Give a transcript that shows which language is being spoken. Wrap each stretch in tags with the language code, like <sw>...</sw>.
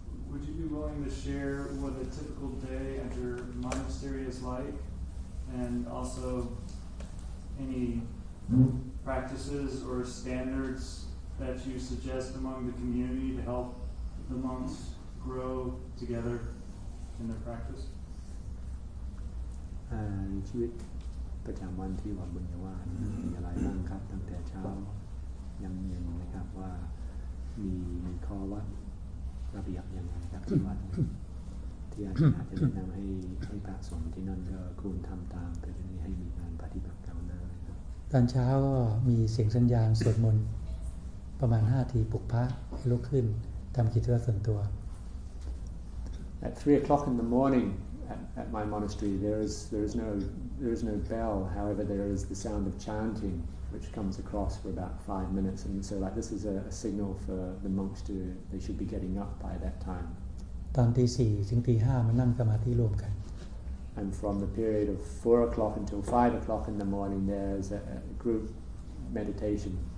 <en>Would you be willing to share what a typical day at your monastery is like, and also any practices or standards that you suggest among the community to help the monks grow together in their practice?</en> <th>ชีวิตประจำวันที่วัดบุญญาวาสมีอะไรบ้างครับตั้งแต่เช้ายังเย็นนะครับว่ามีข้อว่าระเบียบยังไงครับที่วัดที่อาจารย์จะแนะนำให้พระสงฆ์ที่นั่นก็คุณทำตามไปนี้ให้มีการปฏิบัติก้าวหน้า ตอนเช้าก็มีเสียงสัญญาณสวดมนต์ประมาณ5ทีปลุกพระลุกขึ้นทำกิจวัตรส่วนตัว</th> <en>At 3 o'clock in the morning at my monastery there is no bell however there is the sound of chantingwhich comes across for about 5 minutes and so like this is a signal for the monks to they should be getting up by that time</en> <th>ตอนตี 4 ถึงตี 5 มานั่งสมาธิร่วมกัน</th> <en>and from the period of 4 o'clock until 5 o'clock in the morning there's a group meditation</en>